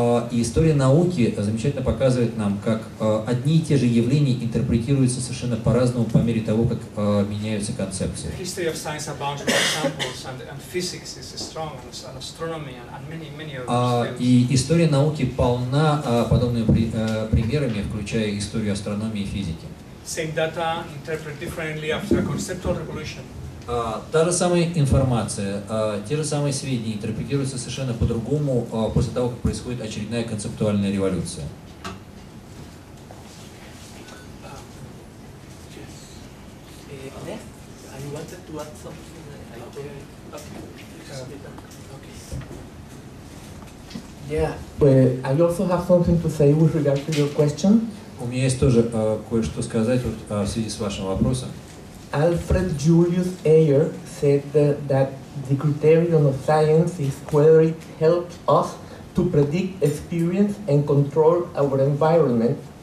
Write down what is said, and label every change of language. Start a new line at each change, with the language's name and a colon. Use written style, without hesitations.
Russian: И история науки замечательно показывает нам, как одни и те же явления интерпретируются совершенно по-разному по мере того, как меняются концепции.
English: History of science abounds with examples, and physics is strong, and astronomy, and many other things.
Russian: И история науки полна подобными примерами, включая историю астрономии и физики.
English: Same data interpreted differently after a conceptual revolution.
Russian: Та же самая информация, те же самые сведения интерпретируются совершенно по-другому после того, как происходит очередная концептуальная революция.
English: Yeah, but I also have something to say with regard to your question.
Russian: У меня есть тоже кое-что сказать вот, в связи с вашим вопросом.
English: Alfred Julius Ayer said that the criterion of science is whether it helps us to predict, experience, and control our environment.